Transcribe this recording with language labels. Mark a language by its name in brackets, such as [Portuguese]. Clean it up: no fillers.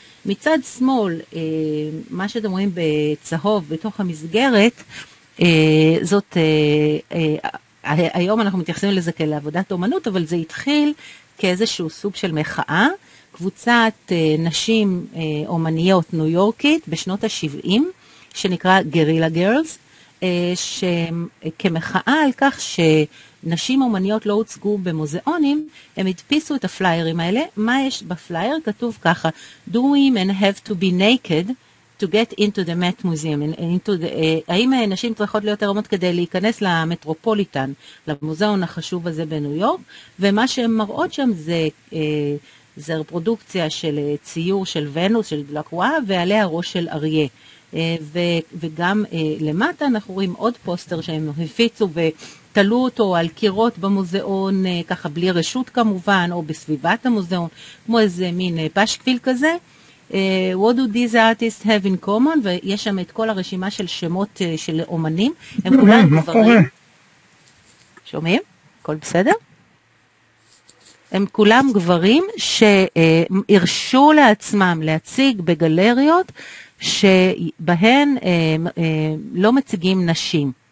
[Hebrew] מצד שמאל, מה שאתם רואים בצהוב בתוך המסגרת, זאת, היום אנחנו מתייחסים לזה כלעבודת אומנות, אבל זה התחיל כאיזשהו סוג של מחאה. קבוצת נשים אומניות ניו יורקית בשנות ה-70, שנקרא גרילה גרלס, שכמחאה על כך שנשים אומניות לא הוצגו במוזיאונים, הם הדפיסו את הפליירים האלה. מה יש בפלייר? [English] כתוב ככה, Do women have to be naked to get into the Met Museum? [Hebrew] האם נשים צריכות להיות ערומות כדי להיכנס למטרופוליטן, למוזיאון החשוב הזה בניו יורק? ומה שהן מראות שם זה... זה פרודוקציה של ציור של ונוס, של דלקווה, ועליה ראש של אריה. וגם למטה אנחנו רואים עוד פוסטר שהם הפיצו ותלו אותו על קירות במוזיאון, ככה בלי רשות כמובן, או בסביבת המוזיאון, כמו איזה מין פשקביל כזה. [English] What do these artists have in common? [Hebrew] ויש שם את כל הרשימה של שמות של אומנים. הם כולם גברים. שומעים? הכל בסדר? הם כולם גברים שהרשו לעצמם להציג בגלריות שבהן לא מציגים נשים.